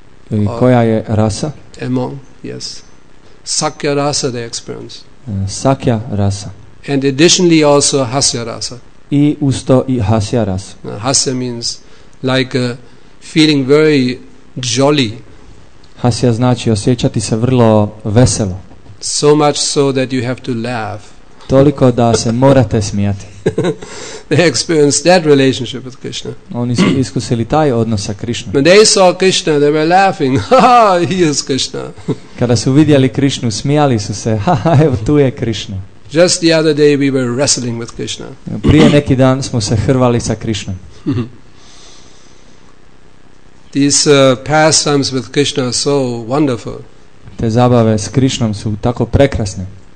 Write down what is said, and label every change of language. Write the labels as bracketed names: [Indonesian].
[Croatian] I koja je rasa? [English] Among, yes. Sakya rasa they experience. Sakya rasa. And additionally also hasya rasa. [Croatian] I usto i hasya rasa. [English] Hasya means like feeling very jolly. [Croatian] Hasya znači osjećati se vrlo veselo. [English] So much so that you have to laugh. [Croatian] Toliko da se morate smijati. [English] They experienced that relationship with Krishna. [Croatian] Oni su iskusili taj odnos sa Krishnom. [English] When they saw Krishna, they were laughing. Ha, he is Krishna. [Croatian] Kada su vidjeli Krishnu, smijali su se. Ha, ha, evo tu je Krishna. [English] Just the other day we were wrestling with Krishna. [Croatian] Prije neki dan smo se hrvali sa Krishnom. [English] These pastimes with Krishna are so wonderful. [Croatian] Te zabave s Krishnom su tako prekrasne.